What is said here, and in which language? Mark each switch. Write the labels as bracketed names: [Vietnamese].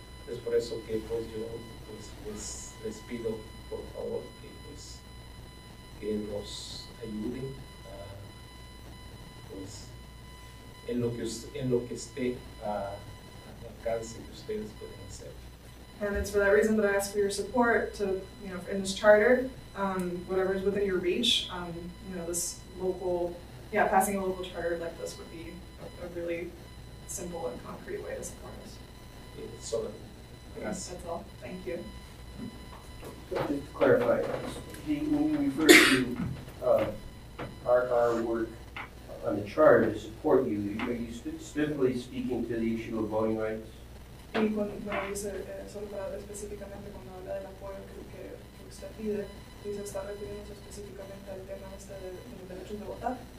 [Spanish] Es por eso que pues yo pues les pido por favor que pues que nos ayuden pues en lo que esté al alcance que ustedes pueden hacer. [English] And it's for that reason that I ask for your support to, in this charter, whatever is within your reach, passing a local charter like this would be a really simple and concrete way to support us. Yes, that's all. Thank you. Just to clarify, when we refer to our work on the charter to support you, are you specifically speaking to the issue of voting rights? [Spanish] Y cuando dice, solo para específicamente cuando habla del apoyo que usted pide, dice, ¿está refiriéndose específicamente al tema de los derechos de votar?